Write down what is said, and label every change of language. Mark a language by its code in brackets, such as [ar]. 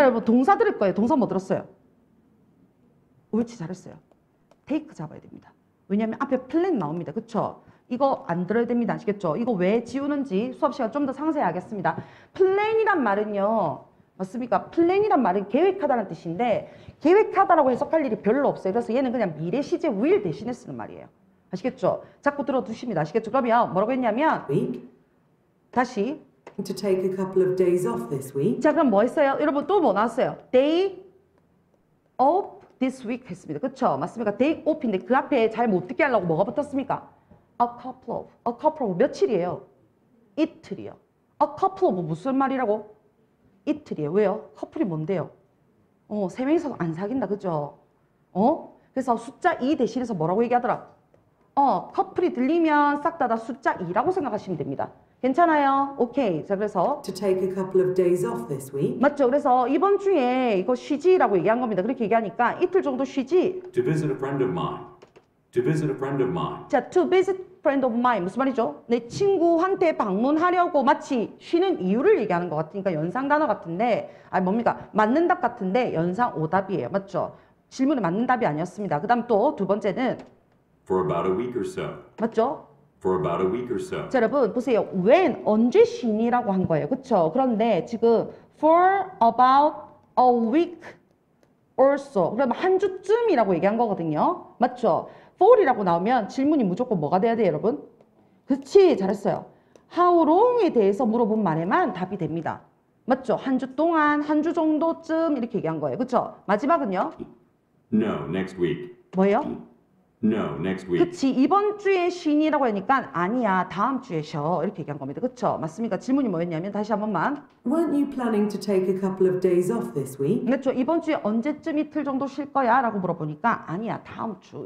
[ko] 자, 여러분 동사 들을 거예요. 동사 뭐 들었어요? 옳지, 잘했어요. Take 잡아야 됩니다. 왜냐하면 앞에 plan 나옵니다. 그쵸? 이거 안 들어야 됩니다. 아시겠죠? 이거 왜 지우는지 수업 시간 좀 더 상세히 하겠습니다. Plan이란 말은요. 맞습니까? 플랜이란 말은 계획하다는 뜻인데 계획하다라고 해석할 일이 별로 없어요. 그래서 얘는 그냥 미래 시제 will 대신에 쓰는 말이에요. 아시겠죠? 자꾸 들어두십니다. 아시겠죠? 그러면 뭐라고 했냐면 [en] week? [ko] 다시 [en] to take a couple of days off this week. [ko] 자, 그럼 뭐 했어요? 여러분 또 뭐 나왔어요? [en] Day off this week 했습니다. [ko] 그렇죠? 맞습니까? Day off인데 그 앞에 잘 못 듣게 하려고 뭐가 붙었습니까? [en] A couple of 며칠이에요? [ko] 이틀이요. A couple of 무슨 말이라고? 이틀이에요. 왜요? 커플이 뭔데요? 세 명이서 안 사귄다. 그죠? 그래서 숫자 2 대신해서 뭐라고 얘기하더라? 커플이 들리면 싹다 다 숫자 2라고 생각하시면 됩니다. 괜찮아요? 오케이. 자, 그래서 [en] to take a couple of days off this week. [ko] 맞죠? 그래서 이번 주에 이거 쉬지라고 얘기한 겁니다. 그렇게 얘기하니까 이틀 정도 쉬지. [en] To visit a friend of mine. To visit a friend of mine. [ko] 자, to visit friend of mine 무슨 말이죠? 내 친구한테 방문하려고 마치 쉬는 이유를 얘기하는 것 같으니까 연상 단어 같은데 아니 뭡니까? 맞는 답 같은데 연상 오답이에요. 맞죠? 질문에 맞는 답이 아니었습니다. 그 다음 또 두 번째는 [en] For about a week or so. [ko] 맞죠? [en] For about a week or so. [ko] 자, 여러분 보세요. When 언제 쉬니라고 한 거예요. 그렇죠? 그런데 지금 [en] For about a week or so. [ko] 그러면 한 주쯤이라고 얘기한 거거든요. 맞죠? For이라고 나오면 질문이 무조건 뭐가 돼야 돼요, 여러분? 그치, 잘했어요. How long에 대해서 물어본 말에만 답이 됩니다. 맞죠? 한 주 동안, 한 주 정도쯤 이렇게 얘기한 거예요. 그쵸? 마지막은요? [en] No, next week. [ko] 뭐예요? [en] No, next week. [ko] 그치, 이번 주에 쉬니라고 하니까 아니야, 다음 주에 쉬어. 이렇게 얘기한 겁니다. 그쵸? 맞습니까? 질문이 뭐였냐면 다시 한 번만. [en] Weren't you planning to take a couple of days off this week? [ko] 그쵸, 이번 주에 언제쯤 이틀 정도 쉴 거야? 라고 물어보니까 아니야, 다음 주.